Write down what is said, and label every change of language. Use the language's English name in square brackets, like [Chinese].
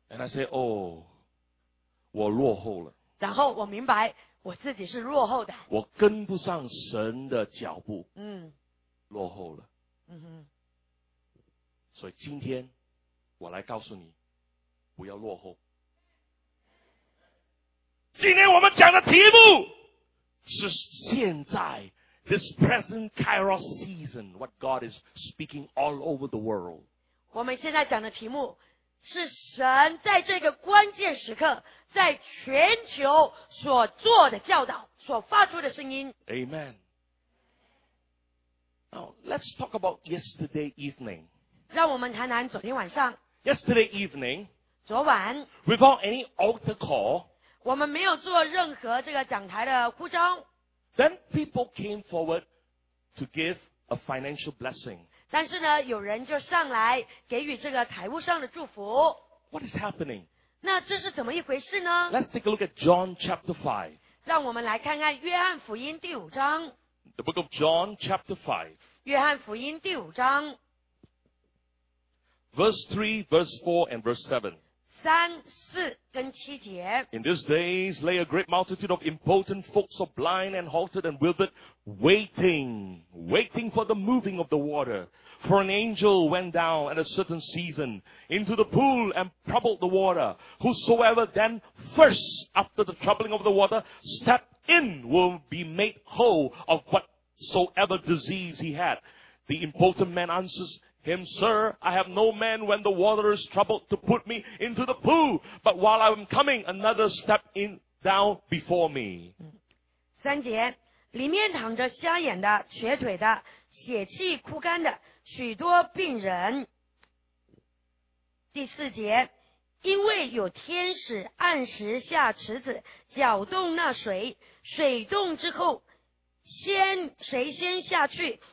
[English] And I say, oh, [Chinese] 我落后了。然后我明白我自己是落后的，我跟不上神的脚步，落后了，所以今天我来告诉你，不要落后。今天我们讲的题目是现在 [English] This present Kairos season, what God is speaking all over the world. [Chinese] 我们现在讲的题目是神在这个关键时刻在全球所做的教导，所发出的声音。 [English] Amen. Now, let's talk about yesterday evening. [Chinese] 让我们谈谈昨天晚上。 [English] Yesterday evening. [Chinese] 昨晚。 [English] Without any altar call. [Chinese] 我们没有做任何这个讲台的呼召。 [English] Then people came forward to give a financial blessing. [Chinese] 但是呢，有人就上来给予这个财务上的祝福。 [English] What is happening? [Chinese] 那这是怎么一回事呢？ [English] Let's take a look at John chapter 5. [Chinese] 让我们来看看约翰福音第五章。 [English] The book of John chapter 5. [Chinese] 约翰福音第五章。 [English] Verse 3, verse 4, and verse 7. [Chinese] 三四跟七节。 [English] In these days lay a great multitude of impotent folks of blind and halted and withered, waiting for the moving of the water. For an angel went down at a certain season into the pool and troubled the water. Whosoever then first after the troubling of the water stepped in will be made whole of whatsoever disease he had. The impotent man answers him, Sir, I have no man when the water is troubled to put me into the pool, but while I am coming, another step in down before me. [Chinese] 三节，里面躺着瞎眼的、瘸腿的、血气枯干的许多病人。第四节，因为有天使按时下池子，搅动那水，水动之后，谁先下去？